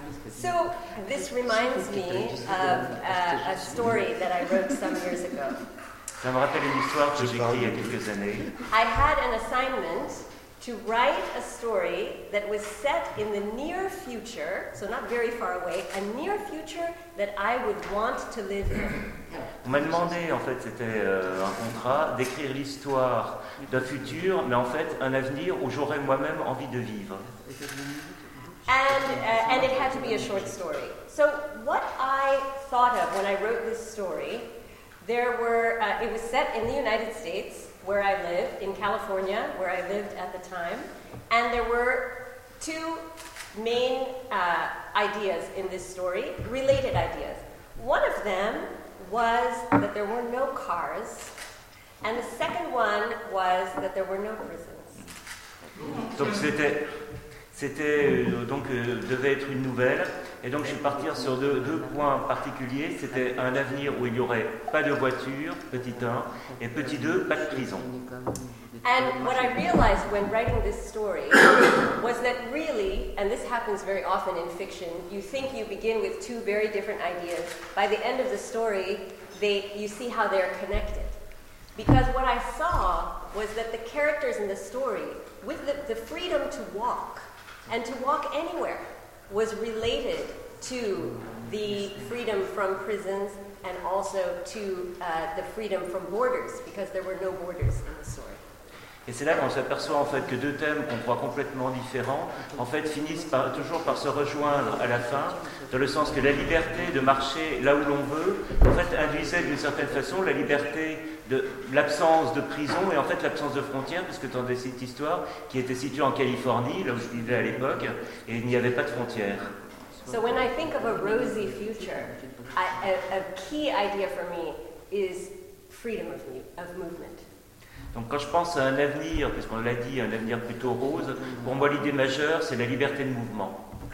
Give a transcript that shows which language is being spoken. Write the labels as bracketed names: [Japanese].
[English] So this reminds me of a story that I wrote some years ago. [French] Ça me rappelle une histoire que j'ai écrite il y a quelques années. [English] I had an assignment to write a story that was set in the near future, so not very far away, a near future that I would want to live in. [French] On m'a demandé, en fait, c'était un contrat, d'écrire l'histoire d'un futur, mais en fait, un avenir où j'aurais moi-même envie de vivre. [English] And it had to be a short story. So what I thought of when I wrote this story, it was set in the United States, where I lived, in California, where I lived at the time. And there were two main ideas in this story, related ideas. One of them was that there were no cars, and the second one was that there were no prisons. [French] Donc c'était C'était donc devait être une nouvelle, et donc je vais partir sur deux points particuliers. C'était un avenir où il n'y aurait pas de voiture, petit 1, et petit 2, pas de prison. [English] And what I realized when writing this story was that really, and this happens very often in fiction, you think you begin with two very different ideas. By the end of the story, you see how they are connected. Because what I saw was that the characters in the story, with the freedom to walk, and to walk anywhere, was related to the freedom from prisons and also to the freedom from borders, because there were no borders in the story. [French] Et c'est là qu'on s'aperçoit en fait que deux thèmes qu'on croit complètement différents en fait finissent toujours par se rejoindre à la fin, dans le sens que la liberté de marcher là où l'on veut en fait induisait d'une certaine façon la liberté de l'absence de prison et en fait l'absence de frontières, puisque dans cette histoire qui était située en Californie, là où je vivais à l'époque, et il n'y avait pas de frontières. [English] So when I think of a rosy future, a key idea for me is freedom of movement. [French] Donc quand je pense à un avenir, puisqu'on l'a dit, un avenir plutôt rose, pour moi l'idée majeure, c'est la liberté de mouvement.